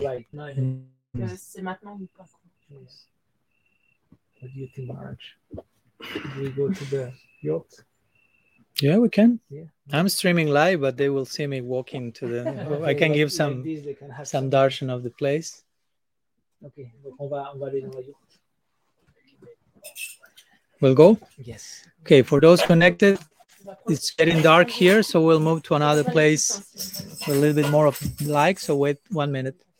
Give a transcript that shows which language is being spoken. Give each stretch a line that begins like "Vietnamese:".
English: There's no light. No.
French: C'est maintenant ou pas.
English: Yes. What do you think, Marge? Do we go to the yacht? Yeah, we can. Yeah. I'm streaming live, but they will see me walking to the. I can give some some darshan of the place.
French: Okay, donc on va aller dans la yacht.
English: We'll go? Yes. Okay, for those connected, it's getting dark here, so we'll move to another place with a little bit more of light, so wait 1 minute.